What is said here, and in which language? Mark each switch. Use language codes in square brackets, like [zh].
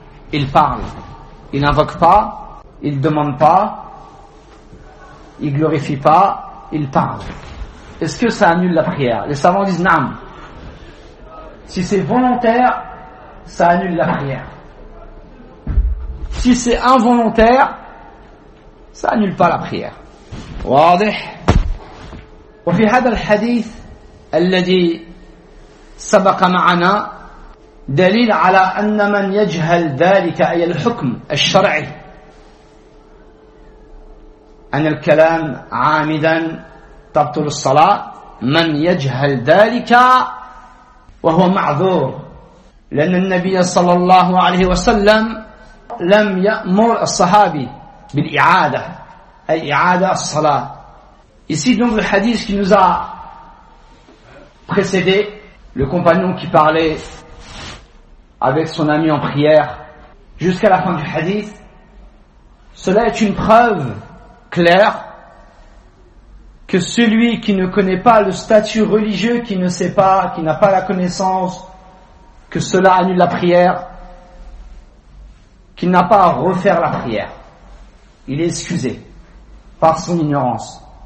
[fr] Il parle, il n'invoque pas, il ne demande pas, il ne glorifie pas, il parle. Est-ce que ça annule la prière? Les savants disent naam. Si c'est volontaire, ça annule la prière. Si c'est involontaire, ça annule pas la prière. [ar] واضح. وفي هذا الحديث الذي سبق معنا دليل على أن من يجهل ذلك أي الحكم الشرعي أن الكلام عامدا تبطل الصلاة من يجهل ذلك وهو معذور لأن النبي صلى الله عليه وسلم لم يأمر الصحابي بالإعادة أي إعادة الصلاة. [fr] Ici donc le hadith qui nous a précédé, le compagnon qui parlait avec son ami en prière jusqu'à la fin du hadith, cela est une preuve claire que celui qui ne connaît pas le statut religieux, qui ne sait pas, qui n'a pas la connaissance que cela annule la prière, qu'il n'a pas à refaire la prière, il est excusé par son ignorance.